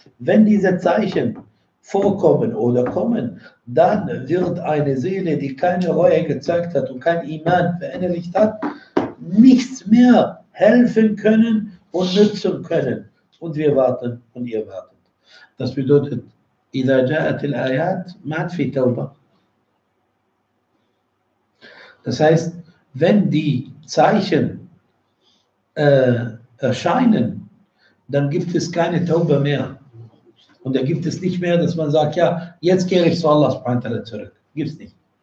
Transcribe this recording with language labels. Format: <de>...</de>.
<de>Wenn diese Zeichen vorkommen oder kommen, dann wird eine Seele, die keine Reue gezeigt hat und kein Iman verinnerlicht hat, nichts mehr helfen können und nützen können. Und wir warten und ihr wartet. Das bedeutet,</de> <ar>إذا جاءت الآيات ما في توبة.</ar> <de>Das heißt, wenn die Zeichen erscheinen, dann gibt es keine Taube mehr. Und da gibt es nicht mehr, dass man sagt, ja, jetzt kehre ich zu Allah subhanahu wa ta'ala zurück. Gibt es nicht.</de>